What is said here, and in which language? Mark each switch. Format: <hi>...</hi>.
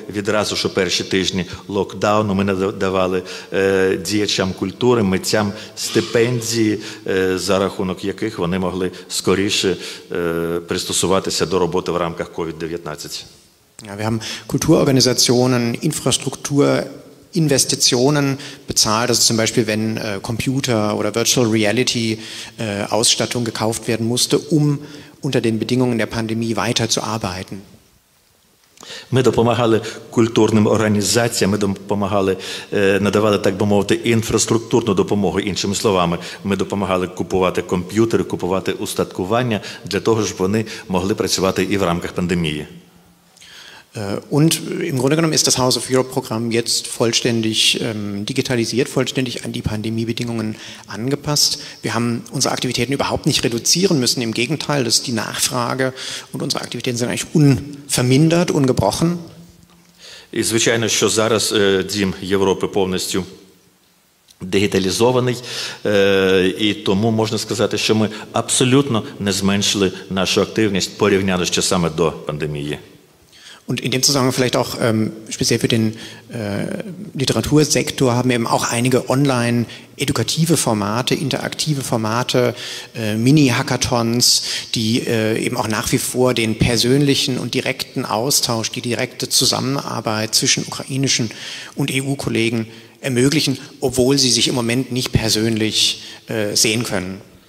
<uk>Відразу ж у перші тижні локдауну ми надавали діячам культури, митцям стипендії, за рахунок яких вони могли скоріше пристосуватися до роботи в рамках COVID-19. Ми маємо культурорганізаційні інфраструктури,</uk> <de>Investitionen bezahlt, also zum Beispiel, wenn Computer oder Virtual Reality Ausstattung gekauft werden musste, um unter den Bedingungen der Pandemie weiterzuarbeiten.</de> <uk>Ми допомагали культурним організаціям, ми допомагали, надавали, так би мовити, інфраструктурну допомогу, іншими словами, ми допомагали купувати комп'ютери, купувати устаткування для того, щоб вони могли працювати і в рамках пандемії.</uk> <de>Und im Grunde genommen ist das House of Europe Programm jetzt vollständig digitalisiert, vollständig an die Pandemiebedingungen angepasst. Wir haben unsere Aktivitäten überhaupt nicht reduzieren müssen, im Gegenteil, das ist die Nachfrage und unsere Aktivitäten sind eigentlich unvermindert, ungebrochen.</de> <uk>І звичайно, що зараз Дім Європи повністю дигіталізований, і тому можна сказати, що ми абсолютно не зменшили нашу активність порівняно ще саме до пандемії.</uk> <de>Und in dem Zusammenhang vielleicht auch speziell für den Literatursektor haben wir eben auch einige online edukative Formate, interaktive Formate, Mini-Hackathons, die eben auch nach wie vor den persönlichen und direkten Austausch, die direkte Zusammenarbeit zwischen ukrainischen und EU-Kollegen ermöglichen, obwohl sie sich im Moment nicht persönlich sehen können.</de>